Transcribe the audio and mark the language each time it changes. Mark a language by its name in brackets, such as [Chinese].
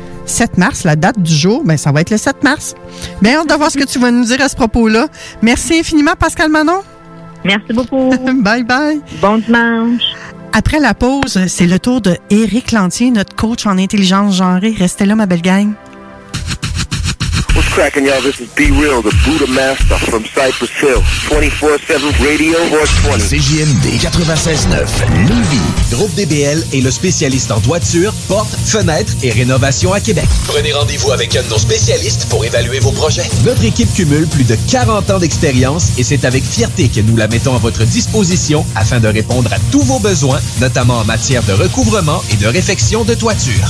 [French] 7 mars, la date du jour, bien, ça va être le 7 mars. Bien, hâte de voir ce que tu vas nous dire à ce propos-là. Merci infiniment, Pascal Manon. Merci beaucoup. Bye-bye. Bon dimanche. Après la pause, c'est le tour de Éric Lantier, notre coach en intelligence genrée. Restez là, ma belle gang. [English] What's cracking, y'all? This is B-Real, the Buddha Master from Cypress Hill. 24-7 Radio, Voice 20. [French] CJMD 96.9, Lévis. Groupe DBL est le spécialiste en toiture, portes, fenêtres et rénovation à Québec. Prenez rendez-vous avec un de nos spécialistes pour évaluer vos projets. Notre équipe cumule plus de 40 ans d'expérience et c'est avec fierté que nous la mettons à votre disposition afin de répondre à tous vos besoins, notamment en matière de recouvrement et de réfection de toiture.